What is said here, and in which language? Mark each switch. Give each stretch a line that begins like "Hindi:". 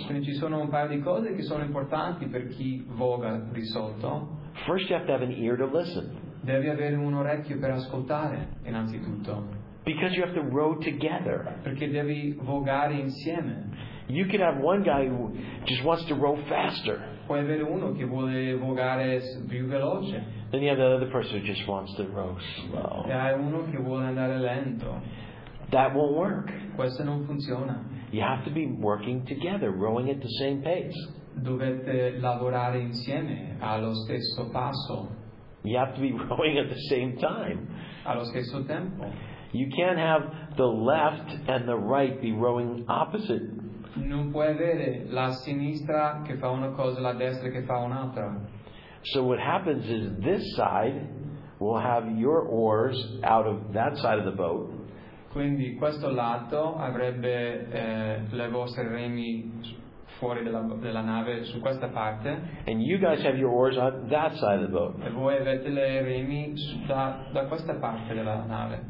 Italian: Quindi ci sono un paio di cose che sono importanti per chi voga di sotto.
English: First, you have to have an ear to listen.
Italian: Devi avere un orecchio per ascoltare, innanzitutto.
English: Because you have to row together.
Italian: Perché devi vogare insieme.
English: You could have one guy who just wants to row faster.
Italian: Puoi avere uno che vuole vogare più veloce.
English: Then you have the other person who just wants to row slow.
Italian: E hai uno che vuole andare lento.
English: That won't work.
Italian: Questo non funziona.
English: You have to be working together, rowing at the same pace.
Italian: Dovete lavorare insieme allo stesso passo.
English: You have to be rowing at the same time.
Italian: Allo stesso tempo.
English: You can't have the left and the right be rowing opposite.
Italian: Non puoi avere la sinistra che fa una cosa e la destra che fa un'altra.
English: So what happens is this side will have your oars out of that side of the boat.
Italian: Quindi questo lato avrebbe le vostre remi fuori della nave su questa parte.
English: And you guys have your oars on that side of the boat.
Italian: E voi avete le remi da questa parte della nave.